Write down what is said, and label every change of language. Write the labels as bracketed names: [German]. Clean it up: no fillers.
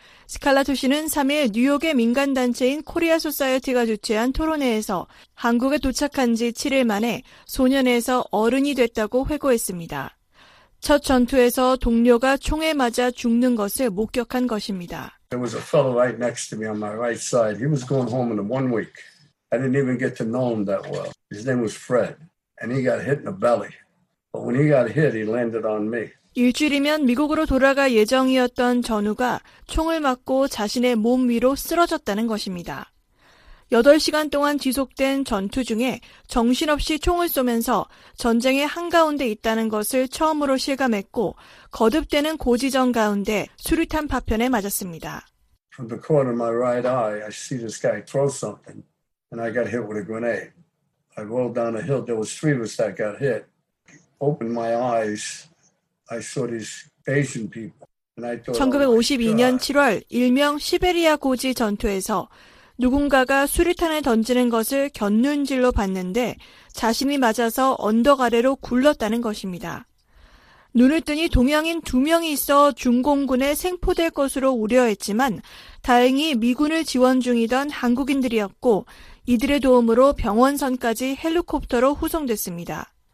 [Korean] 스칼라토 씨는 3일 뉴욕의 민간단체인 코리아 소사이어티가 주최한 토론회에서 한국에 도착한 지 7일 만에 소년에서 어른이 됐다고 회고했습니다. 첫 전투에서 동료가 총에 맞아 죽는 것을 목격한 것입니다. [English] There was a fellow right next to me on my right side. He was going home in one week. I didn't even get to know him that well. His name was Fred, and he got hit in the belly. But when he got hit, he landed on me. [Korean] 일주일이면 미국으로 돌아갈 예정이었던 전우가 총을 맞고 자신의 몸 위로 �쓰러졌다는 것입니다. 8시간 동안 지속된 전투 중에 정신없이 총을 쏘면서 전쟁의 한가운데 있다는 것을 처음으로 실감했고 거듭되는 고지전 가운데 수류탄 파편에 맞았습니다. [English] From the corner of my right eye, I see this guy throw something, and I got hit with a grenade. I rolled down a hill. There was three of us that got hit. Opened my eyes, I saw these Asian people. And I thought, [Korean] 1952년 7월 일명 시베리아 고지 전투에서 누군가가 수류탄을 던지는 것을 곁눈질로 봤는데 자신이 맞아서 언덕 아래로 굴렀다는 것입니다. 눈을 뜨니 동양인 두 명이 있어 중공군에 생포될 것으로 우려했지만 다행히 미군을 지원 중이던 한국인들이었고 이들의 도움으로 병원선까지 헬리콥터로 후송됐습니다.